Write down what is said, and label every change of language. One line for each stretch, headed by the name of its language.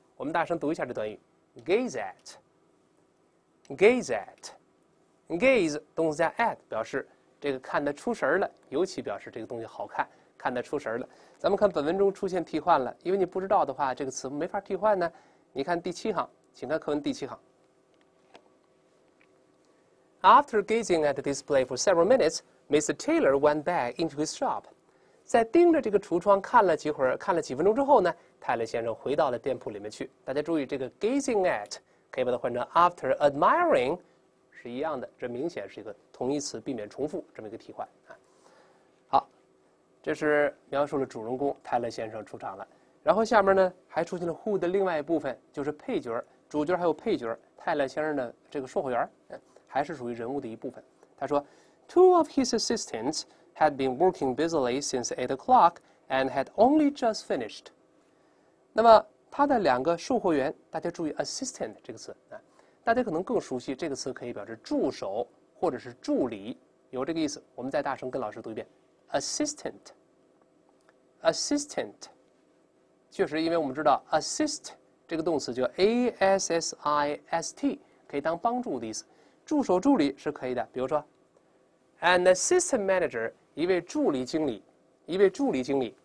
Chinese: 我们大声读一下这段语 gaze 动词加 at， 表示这个看得出神了，尤其表示这个东西好看，看得出神了。咱们看本文中出现替换了，因为你不知道的话这个词没法替换呢。你看第七行，请看课文第七行。
English: After gazing at the display for several minutes, Mr. Taylor went back into his shop.
Chinese: 在盯着这个橱窗看了几会儿，看了几分钟之后呢，泰勒先生回到了店铺里面去。大家注意，这个 gazing at 可以把它换成 after admiring， 是一样的，这明显是一个同义词，避免重复这么一个替换。好，这是描述了主人公泰勒先生出场了。然后下面呢，还出现了 who 的另外一部分，就是配角、主角还有配角泰勒先生的这个售货员，还是属于人物的一部分。他说
English: ，Two of his assistants had been working busily since 8 o'clock and had only just finished。
Chinese: 那么他的两个售货员，大家注意 assistant 这个词啊，大家可能更熟悉这个词，可以表示助手或者是助理，有这个意思。我们再大声跟老师读一遍 ，assistant。确实，因为我们知道 assist 这个动词叫 assist， 可以当帮助的意思，助手助理是可以的。比如说 ，
English: an assistant manager，
Chinese: 一位助理经理，一位助理经理。